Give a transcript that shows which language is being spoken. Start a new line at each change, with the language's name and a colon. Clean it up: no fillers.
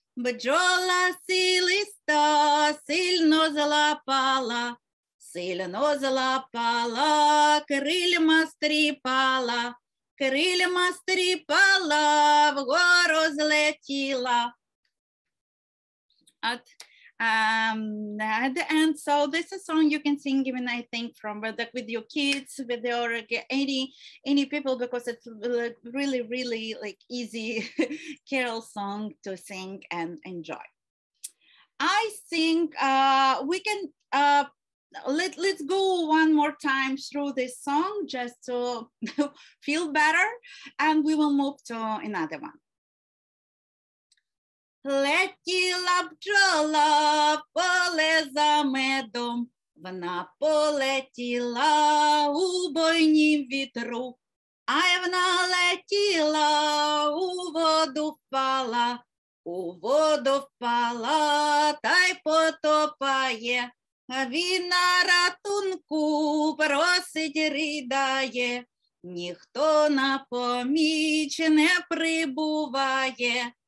Ukrainian: Бджола си листа сильно злапала, сильно злапала, крильма стріпала, крильма стріпала, вгору злетіла.
English: At the end, so this is a song you can sing even I think from like with your kids, with your any people, because it's like really, really like easy carol song to sing and enjoy. I think we can let's go one more time through this song just to feel better, and we will move to another one.
Ukrainian: Летіла бджола в поле за медом, вона полетіла у бойнім вітру, ай вона летіла у воду впала, у воду впала та й потопає, він на ратунку просить ридає, ніхто на поміч не прибуває.